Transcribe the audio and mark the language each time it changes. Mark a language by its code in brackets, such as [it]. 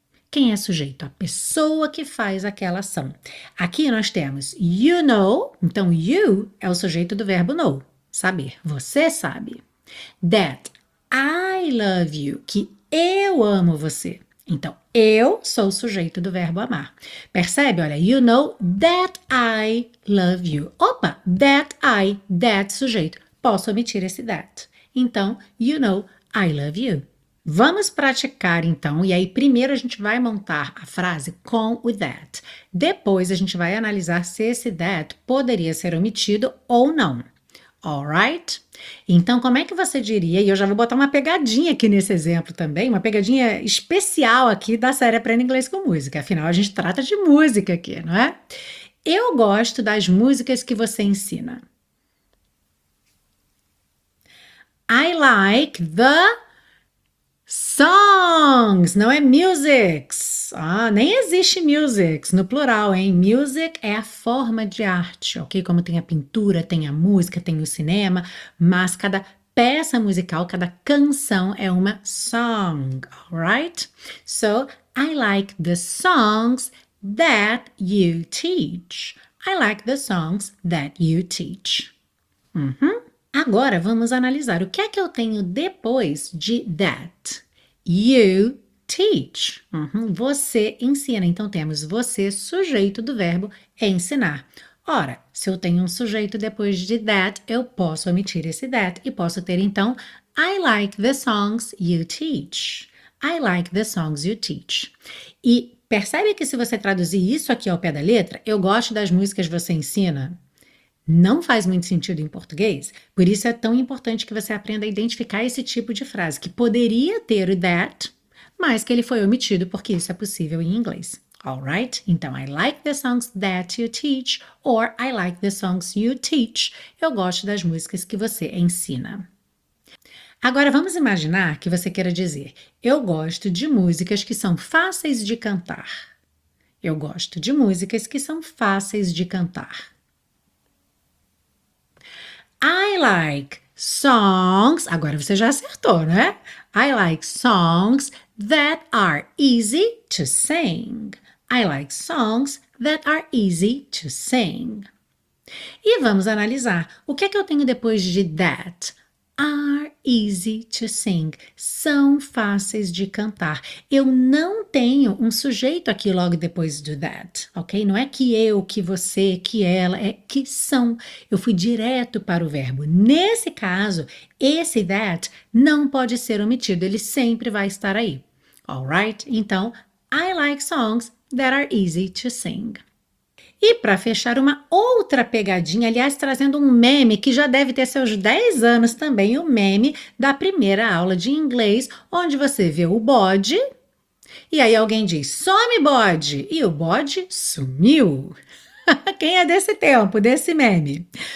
[pt] Quem é sujeito? A pessoa que faz aquela ação. Aqui nós temos [en] you know, [pt] então you é o sujeito do verbo know, saber. Você sabe. [en] That, I love you, [pt] que eu amo você. Então, eu sou o sujeito do verbo amar. Percebe? [en] Olha, you know that I love you. Opa, that I, that sujeito. [pt] Posso omitir esse [en] that. Então, you know I love you. [pt] Vamos praticar então, e aí primeiro a gente vai montar a frase com o that. Depois a gente vai analisar se esse that poderia ser omitido ou não. [en] All right? [pt] Então, como é que você diria? E eu já vou botar uma pegadinha aqui nesse exemplo também, uma pegadinha especial aqui da série Aprenda Inglês com Música. Afinal, a gente trata de música aqui, não é? Eu gosto das músicas que você ensina. [en] I like the songs, [pt] não é [en] musics. [pt] Ah, nem existe musics no plural, hein? Music é a forma de arte, ok? Como tem a pintura, tem a música, tem o cinema, mas cada peça musical, cada canção é uma song, [en] alright? So, I like the songs that you teach. I like the songs that you teach. [pt] Agora vamos analisar o que é que eu tenho depois de that. [en] You teach. [pt] Você ensina. Então temos você, sujeito do verbo ensinar. Ora, se eu tenho um sujeito depois de that, eu posso omitir esse that e posso ter então [en] I like the songs you teach. I like the songs you teach. [pt] E percebe que se você traduzir isso aqui ao pé da letra, eu gosto das músicas que você ensina. Não faz muito sentido em português, por isso é tão importante que você aprenda a identificar esse tipo de frase, que poderia ter o that, mas que ele foi omitido, porque isso é possível em inglês. [en] All right? [pt] Então, [en] I like the songs that you teach, or I like the songs you teach. [pt] Eu gosto das músicas que você ensina. Agora, vamos imaginar que você queira dizer: eu gosto de músicas que são fáceis de cantar. Eu gosto de músicas que são fáceis de cantar. [en] I like songs. [pt] Agora você já acertou, né? [en] I like songs that are easy to sing. I like songs that are easy to sing. [pt] E vamos analisar. O que é que eu tenho depois de that? [en] Are easy to sing. [pt] São fáceis de cantar. Eu não tenho um sujeito aqui logo depois do that, ok? Não é que eu, que você, que ela, é que são. Eu fui direto para o verbo. Nesse caso, esse that não pode ser omitido. Ele sempre vai estar aí. [en] All right? [pt] Então, [en] I like songs that are easy to sing. [pt] E para fechar, uma outra pegadinha, aliás, trazendo um meme que já deve ter seus 10 anos também, o meme da primeira aula de inglês, onde você vê o bode e aí alguém diz: some bode! E o bode sumiu. Quem é desse tempo, desse meme?